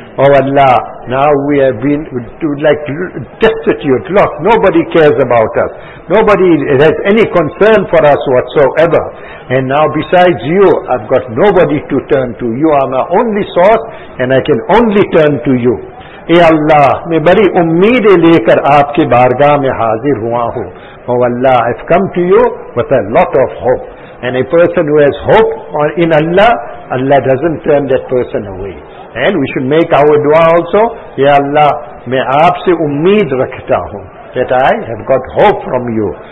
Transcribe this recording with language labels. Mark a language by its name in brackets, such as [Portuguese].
[English] Oh Allah, now we have been like destitute, look, nobody cares about us. Nobody has any concern for us whatsoever. And now besides you, I've got nobody to turn to. You are my only source and I can only turn to you. [Urdu] اے اللہ, میں بڑی امیدیں لے کر آپ کے بارگاہ میں حاضر ہوا ہوں. [English] Oh Allah, I've come to you with a lot of hope. And a person who has hope in Allah, Allah doesn't turn that person away. And we should make our dua also, [Urdu] Ya Allah, main aap se ummeed rakhta hoon, [English] that I have got hope from you.